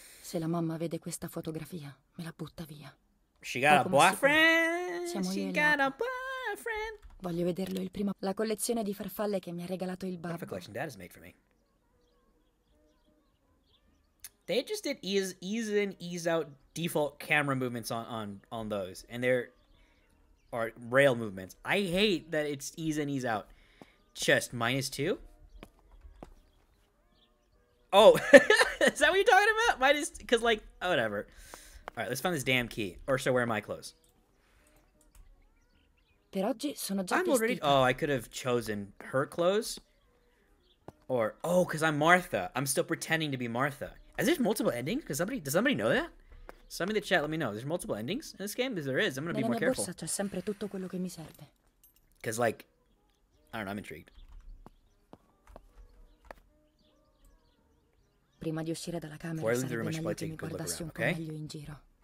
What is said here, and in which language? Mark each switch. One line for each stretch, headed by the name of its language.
Italian: Se la mamma vede questa fotografia, me la butta via.
English: She got a boyfriend. She got a boyfriend.
Italian: Voglio vederlo il prima. La collezione di farfalle che mi ha regalato il babbo.
English: What a collection dad has made for me. They just did ease in, ease out default camera movements on those, and they're or rail movements. I hate that it's ease in, ease out. Chest -2. Oh, is that what you're talking about? Whatever. All right, let's find this damn key. Or so wear my clothes.
Italian: Per oggi sono già vestita.
English: Oh, I could have chosen her clothes. Or oh, because I'm Martha. I'm still pretending to be Martha. Is there multiple endings? Does somebody know that? Somebody in the chat, let me know. There's multiple endings in this game. If there is, I'm gonna be more careful.
Italian: Nella borsa c'è sempre tutto quello che mi serve.
English: Cause like, I don't know. I'm intrigued.
Italian: Prima di uscire dalla camera, sarebbe meglio che mi guardassi un po' meglio in giro.